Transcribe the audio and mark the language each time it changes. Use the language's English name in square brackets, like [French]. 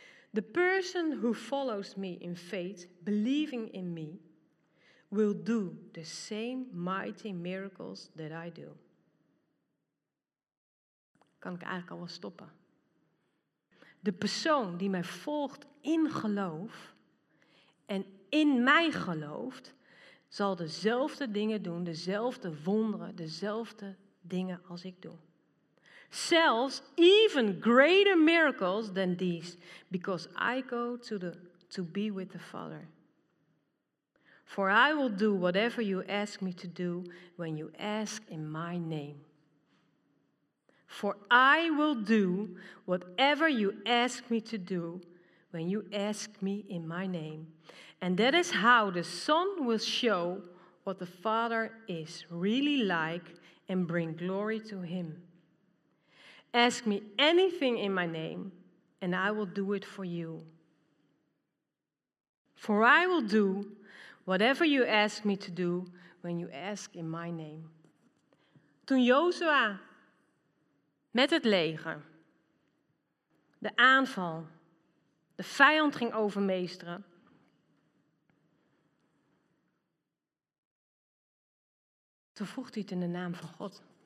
[English] The person who follows me in faith, believing in me, will do the same mighty miracles that I do. [Dutch] Kan ik eigenlijk al wel stoppen. De persoon die mij volgt in geloof en in mij gelooft, zal dezelfde dingen doen, dezelfde wonderen, dezelfde dingen als ik doe. Zelfs [English] even greater miracles than these, because I go to be with the Father. For I will do whatever you ask me to do when you ask in my name. For I will do whatever you ask me to do when you ask me in my name. And that is how the Son will show what the Father is really like and bring glory to him. Ask me anything in my name, and I will do it for you. For I will do whatever you ask me to do when you ask in my name. [Dutch] Toen Jozua met het leger de aanval, de vijand ging overmeesteren, toen vroeg hij het in de naam van God.